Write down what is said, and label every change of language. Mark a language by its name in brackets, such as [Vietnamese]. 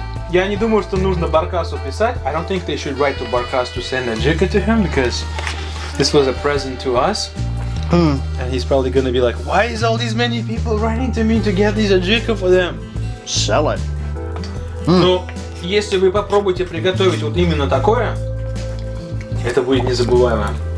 [Russian] Я не думаю, что нужно Баркасу писать. [English] I don't think they should write to Barkas to send Ajika to him because this was a present to us, and he's probably going to be like, why is all these many people writing to me to get this аджика for them? Sell it. [Russian] Но если вы попробуете приготовить вот именно такое, это будет незабываемо.